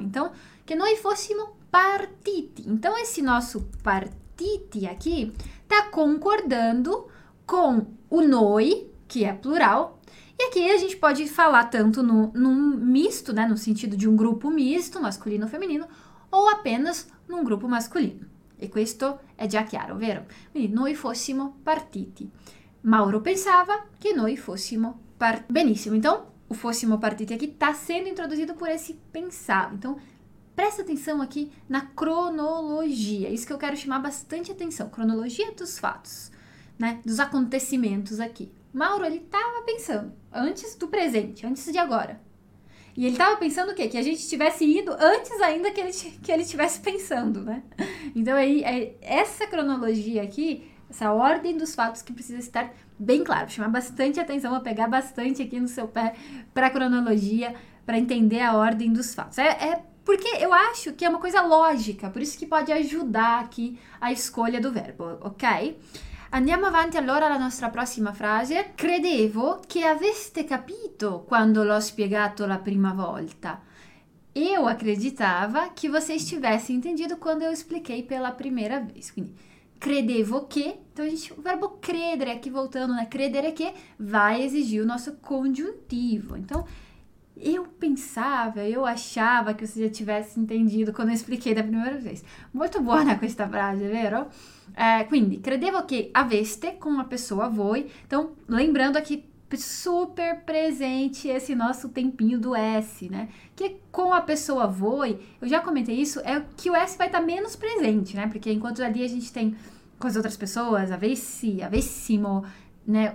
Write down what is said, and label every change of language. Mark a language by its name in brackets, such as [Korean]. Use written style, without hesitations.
[Portuguese] Então, que noi fossimo partiti. Então, esse nosso partiti aqui está concordando com o noi, que é plural. E aqui a gente pode falar tanto num misto, né, no sentido de um grupo misto, masculino e feminino, ou apenas num grupo masculino. [Italian] E questo é già chiaro, vero? Quindi noi fossimo partiti. Mauro pensava che noi fossimo partiti. [Portuguese] Benissimo, então o fossimo partiti aqui está sendo introduzido por esse pensava. Então presta atenção aqui na cronologia. Isso que eu quero chamar bastante atenção: cronologia dos fatos, né, dos acontecimentos aqui. Mauro, ele estava pensando antes do presente, antes de agora. E ele estava pensando o quê? Que a gente tivesse ido antes ainda que ele estivesse pensando, né? Então, aí, essa cronologia aqui, essa ordem dos fatos que precisa estar bem claro, chamar bastante atenção, pegar bastante aqui no seu pé para a cronologia, para entender a ordem dos fatos. É porque eu acho que é uma coisa lógica, por isso que pode ajudar aqui a escolha do verbo, ok? [Italian] Andiamo avanti allora alla nostra prossima frase. Credevo che aveste capito quando l'ho spiegato la prima volta. [Portuguese] Eu acreditava che você estivesse entendido quando eu expliquei pela primeira vez. [Italian] Quindi, credevo che. [Portuguese] Então, o verbo credere, aqui voltando, né? Credere che vai esigir o nosso congiuntivo. Então, eu pensava, eu achava que você já tivesse entendido quando eu expliquei da primeira vez. Muito boa [Italian] questa frase, vero? Quindi, credevo che aveste [Portuguese] com a pessoa [Italian] voi. [Portuguese] Então, lembrando aqui, super presente esse nosso tempinho do S, né? Que com a pessoa voi, eu já comentei isso, é que o S vai estar menos presente, né? Porque enquanto ali a gente tem com as outras pessoas, avessi, avessimo, né?